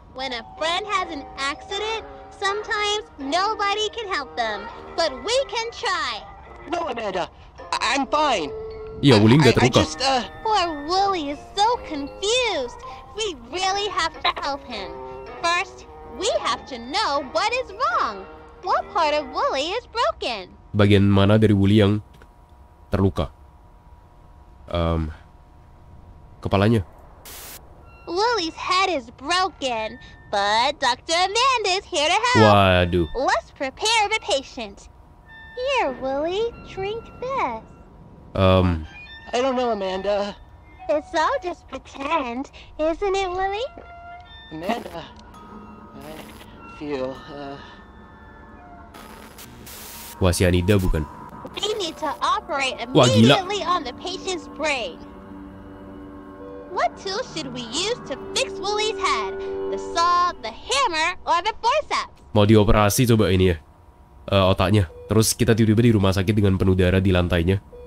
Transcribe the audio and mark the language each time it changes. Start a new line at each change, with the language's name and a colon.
English: When a friend has an accident, sometimes nobody can help them, but we can try. No, Amanda, I'm fine.
Indonesian: Iya, Wooly nggak terluka.
English: Poor Wooly is so confused. We really have to help him. First, we have to know what is wrong. What part of Wooly is broken?
Indonesian: Bagian mana dari Wooly yang terluka? Kepalanya.
English: Wooly's head is broken, but Dr. Amanda is here to help. Waduh. Let's prepare the patient. Here, Wooly, drink this. I don't know, Amanda. It's all just pretend, isn't it, Wooly? Amanda, I feel, Wasianida, bukan? We need to operate immediately on the patient's brain. What tool should we use to fix Wooly's head? The saw, the hammer, or the forceps?
Indonesian: Mau dioperasi coba ini ya. Otaknya. Terus kita tiba-tiba di rumah sakit dengan penuh darah di lantainya.